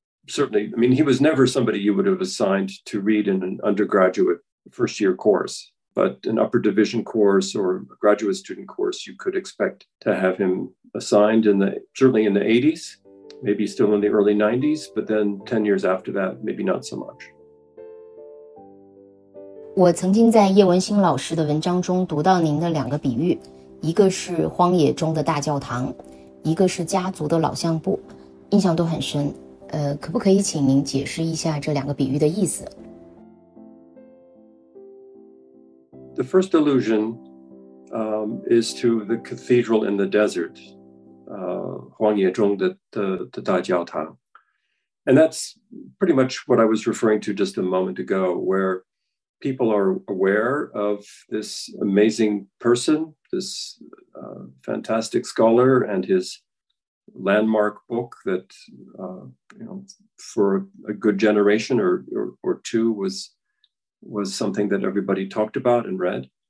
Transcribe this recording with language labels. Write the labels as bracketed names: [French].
[English] Certainly, I mean, he was never somebody you would have assigned to read in an undergraduate first year course, but an upper division course or a graduate student course, you could expect to have him assigned in the, certainly in the 80s, maybe still in the early 90s, but then 10 years after that, maybe not so much. [Chinese] 我曾经在叶文兴老师的文章中读到您的两个比喻，一个是荒野中的大教堂，一个是家族的老相簿。印象都很深。可不可以请您解释一下这两个比喻的意思？ [English] The first allusion, is to the cathedral in the desert, [Chinese] 荒野中的大教堂。 [English] And that's pretty much what I was referring to just a moment ago, where people are aware of this amazing person, this fantastic scholar and his landmark book that for a good generation or two was something that everybody talked about and read.